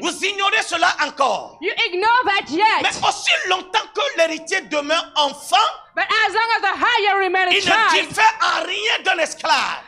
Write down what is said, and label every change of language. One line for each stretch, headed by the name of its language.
French: Vous ignorez cela encore.
English: You ignore that yet.
French: Mais aussi longtemps que l'héritier demeure enfant.
English: But as long as the higher remains a child,
French: il ne diffère en rien d'un esclave.